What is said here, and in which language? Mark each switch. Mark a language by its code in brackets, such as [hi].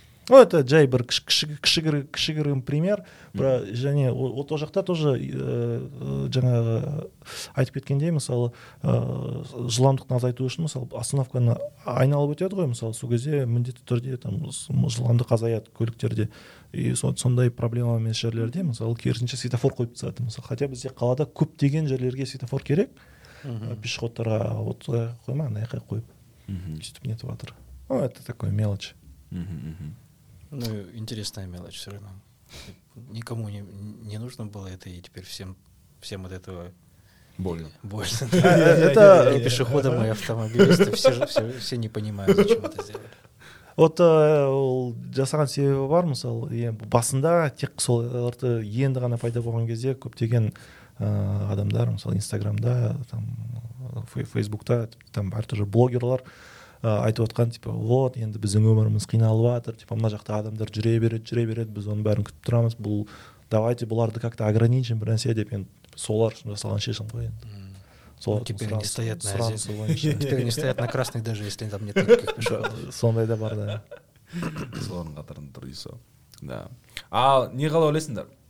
[kk] Ну, это джай бір кішігірім пример, және от ол жақта тоже жаңағы айтып кеткендей, мысалы, жылдамдықты азайту үшін, мысалы, остановканы айналып өтеді ғой, мысалы, сол кезде міндетті түрде там жылдамдық азаяды көліктерде. И сондай проблема мен жерлерде, мысалы, керісінше светофор қойып тастады, мысалы, хотя бізде қалада көптеген жерлерге светофор керек, пешеходтарға от қойма, анаяққа қойып, сөйтіп нетіп жатыр. [ru] Ну, это такой мелочь. Ну, интересная мелочь все равно. Никому не нужно было это, и теперь всем от этого больно. И пешеходам, и автомобилисты все не понимают, зачем это сделали. [kk] Вот жасаған себебі бар, мысалы, басында тек соларды енді ғана пайда болған кезде көптеген адамдар, мысалы, Инстаграмда, там, Фейсбукта, там, әртүрлі блогерлер айтып отқан, типа, вот, енді біздің өміріміз қиналып жатыр, типа, мына жақта адамдар жүре береді, біз оның бәрін күтіп тұрамыз, бұл, давайте бұларды как-то ограничим, бір нәрсе деп, енді солар жасалған шешім ғой. [ru] Теперь не стоят на красных, даже если там нет никаких [kk] пешеходов. Сондай да бар, да. Солардың қатарында тұрса. Да. А не қалай ойлайсыңдар?